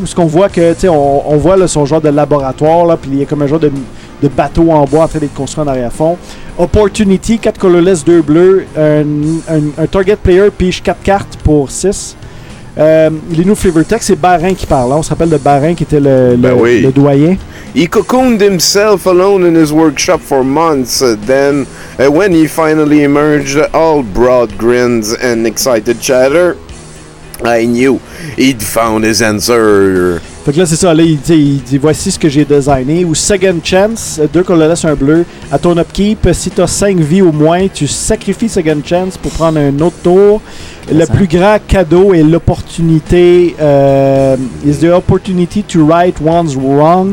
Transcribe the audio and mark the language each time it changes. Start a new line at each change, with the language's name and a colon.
French: Où ce qu'on voit que tu sais, on voit là, son genre de laboratoire, puis il y a comme un genre de bateau en bois en train d'être construit en arrière-fond. Opportunity, 4 colorless, 2 bleus, un target player pige 4 cartes pour 6. Les new flavor text, c'est Barin qui parle. Hein? On se rappelle de Barin qui était le doyen.
English: He cocooned himself alone in his workshop for months. Then, when he finally emerged, all broad grins and excited chatter, I knew he'd found his answer.
French: Fait que là, c'est ça. Là, il dit, voici ce que j'ai designé. Ou second chance, deux colorless, un bleu. À ton upkeep, si t'as 5 vies au moins, tu sacrifies second chance pour prendre un autre tour. Le plus grand cadeau est l'opportunité.
English: Is the opportunity to right one's wrong.